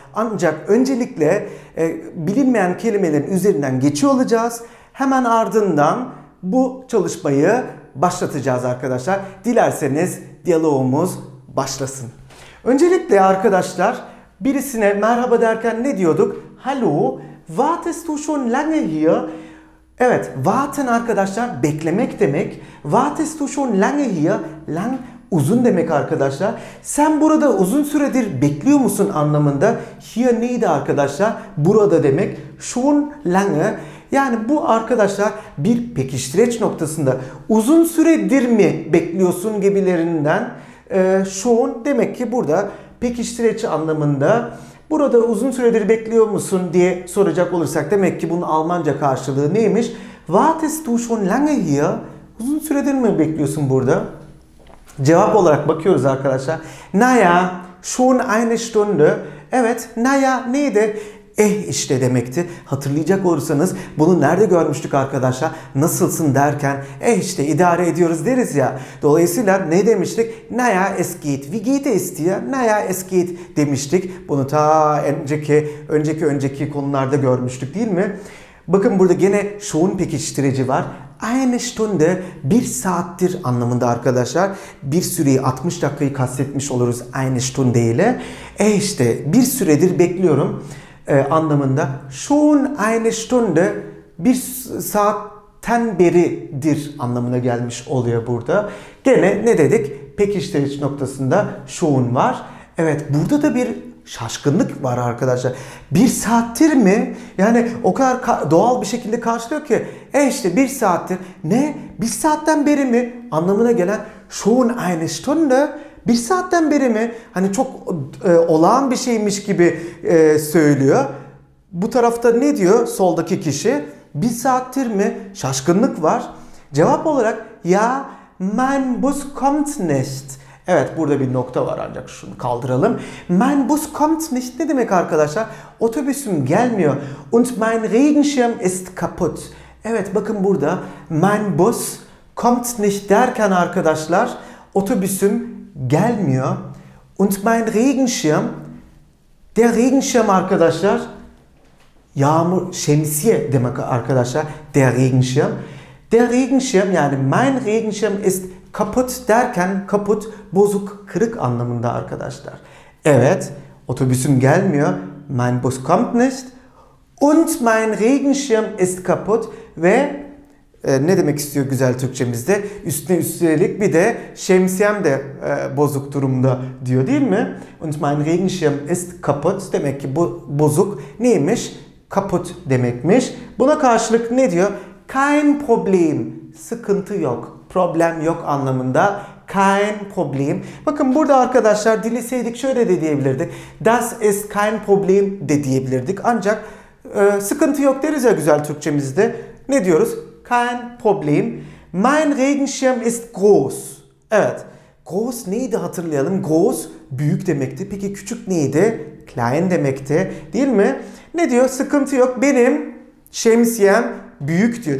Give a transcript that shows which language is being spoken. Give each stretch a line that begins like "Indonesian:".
Turkish: Ancak öncelikle bilinmeyen kelimelerin üzerinden geçiyor olacağız. Hemen ardından bu çalışmayı başlatacağız arkadaşlar. Dilerseniz diyalogumuz başlasın. Öncelikle arkadaşlar, birisine merhaba derken ne diyorduk?
German: Hallo, wartest du schon lange hier?
Turkish: Evet, warten arkadaşlar beklemek demek.
German: Wartest du schon lange hier?
Turkish: Lang uzun demek arkadaşlar. Sen burada uzun süredir bekliyor musun anlamında. Hier neydi arkadaşlar? Burada demek.
German: Schon lange.
Turkish: Yani bu arkadaşlar bir pekiştireç noktasında. Uzun süredir mi bekliyorsun gibilerinden. Schon demek ki burada pekiştireç anlamında. Burada uzun süredir bekliyor musun diye soracak olursak demek ki bunun Almanca karşılığı neymiş?
German: Wartest du schon lange hier?
Turkish: Uzun süredir mi bekliyorsun burada? Cevap olarak bakıyoruz arkadaşlar.
German: Naja, schon eine Stunde.
Turkish: Evet, naja neydi? Eh işte demekti. Hatırlayacak olursanız bunu nerede görmüştük arkadaşlar? Nasılsın derken eh işte idare ediyoruz deriz ja. Dolayısıyla ne demiştik?
German: Naja es geht. Wie geht es dir? Naja es geht
Turkish: demiştik. Bunu ta önceki konularda görmüştük değil mi? Bakın burada gene schon pekiştirici var.
German: Eine Stunde
Turkish: bir saattir anlamında arkadaşlar. Bir süreyi 60 dakikayı kastetmiş oluruz eine Stunde ile. Eh işte bir süredir bekliyorum. Anlamında
German: schon eine Stunde
Turkish: bir saatten beridir anlamına gelmiş oluyor burada. Gene ne dedik? Pekiştiriş noktasında schon var. Evet, burada da bir şaşkınlık var arkadaşlar. Bir saattir mi? Yani o kadar doğal bir şekilde karşılıyor ki. İşte bir saattir. Ne? Bir saatten beri mi? Anlamına gelen
German: schon eine Stunde.
Turkish: Bir saatten beri mi? Hani çok olağan bir şeymiş gibi söylüyor. Bu tarafta ne diyor soldaki kişi? Bir saattir mi? Şaşkınlık var. Cevap olarak ya
German: mein Bus kommt nicht.
Turkish: Evet, burada bir nokta var ancak şunu kaldıralım.
German: Mein Bus kommt nicht
Turkish: ne demek arkadaşlar? Otobüsüm gelmiyor.
German: Und mein Regenschirm ist kaputt.
Turkish: Evet, bakın burada
German: mein Bus kommt nicht
Turkish: derken arkadaşlar otobüsüm gelmiyor.
German: Und mein Regenschirm, der Regenschirm
Turkish: arkadaşlar, yağmur, şemsiye demek arkadaşlar, der Regenschirm. Der Regenschirm, yani
German: mein Regenschirm ist kaputt
Turkish: derken, kaputt, bozuk, kırık anlamında arkadaşlar. Evet, otobüsüm gelmiyor.
German: Mein Bus kommt nicht. Und mein Regenschirm ist kaputt.
Turkish: Ve ne demek istiyor güzel Türkçemizde? Üstüne üstelik bir de şemsiyem de bozuk durumda diyor değil mi?
German: Und mein Regenschirm ist kaputt.
Turkish: Demek ki bu bozuk neymiş? Kaputt demekmiş. Buna karşılık ne diyor?
German: Kein Problem.
Turkish: Sıkıntı yok. Problem yok anlamında.
German: Kein Problem.
Turkish: Bakın burada arkadaşlar dileseydik şöyle de diyebilirdik.
German: Das ist kein Problem
Turkish: de diyebilirdik. Ancak sıkıntı yok deriz ya güzel Türkçemizde. Ne diyoruz?
German: Kein Problem. Mein Regenschirm ist groß.
Turkish: Evet. Groß neydi hatırlayalım. Groß büyük demekti. Peki küçük neydi? Klein demekti. Değil mi? Ne diyor? Sıkıntı yok. Benim şemsiyem büyük diyor.